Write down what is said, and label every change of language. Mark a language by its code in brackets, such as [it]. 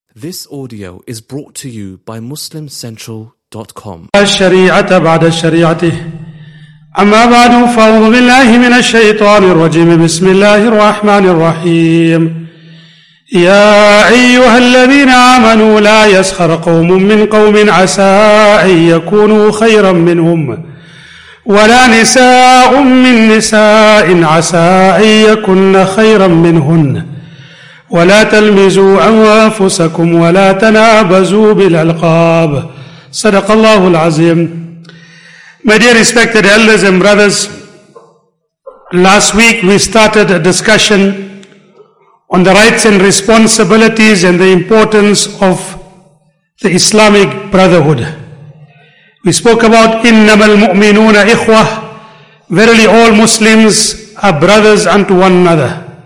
[en] This audio is brought to you by MuslimCentral.com. [ar] الشريعة بعد الشريعة. أما بعد فأعوذ بالله من الشيطان الرجيم. بسم الله الرحمن الرحيم. يا أيها الذين آمنوا لا يسخر قوم من قوم عسى أن يكونوا خيرا منهم ولا نساء من نساء عسى أن يكن خيرا منهن ولا تلمزوا أنفسكم ولا تنابزوا بالألقاب. صدق الله العظيم. [en] My dear respected elders and brothers, last week we started a discussion on the rights and responsibilities and the importance of the Islamic Brotherhood. We spoke about [ar] إِنَّمَا الْمُؤْمِنُونَ إِخْوَةِ. [en] Verily all Muslims are brothers unto one another.